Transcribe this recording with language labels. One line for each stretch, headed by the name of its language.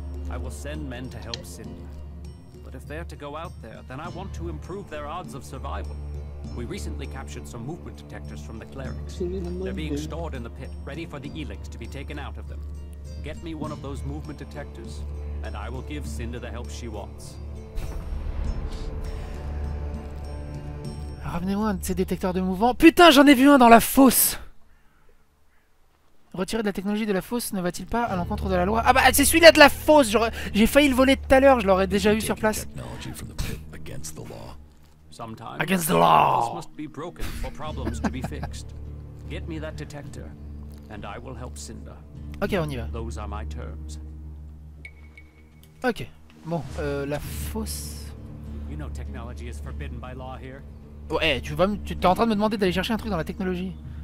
English: I will send men to help Cinda. But if they're to go out there, then I want to improve their odds of survival. We recently captured some movement detectors from the clerics. They're being stored in the pit, ready for the Elix to be taken out of them. Get me one of those movement detectors, and I will give Cinda the help she wants.
French: Ramenez-moi un de ces détecteurs de mouvement. Putain, j'en ai vu un dans la fosse! Retirer de la technologie de la fosse ne va-t-il pas à l'encontre de la loi? Ah bah c'est celui-là de la fosse! J'ai failli le voler tout à l'heure, je l'aurais déjà eu sur place.
English: Against the law. Against the law! This must be broken for problems to be fixed. Get me that detector, and I will help Cinda.
French: Ok, on y va.
English: Those are my terms.
French: Ok, bon, la fosse...
English: You know technology is forbidden by law here.
French: Ouais, tu vas t'es en train de me demander d'aller chercher un truc dans la technologie.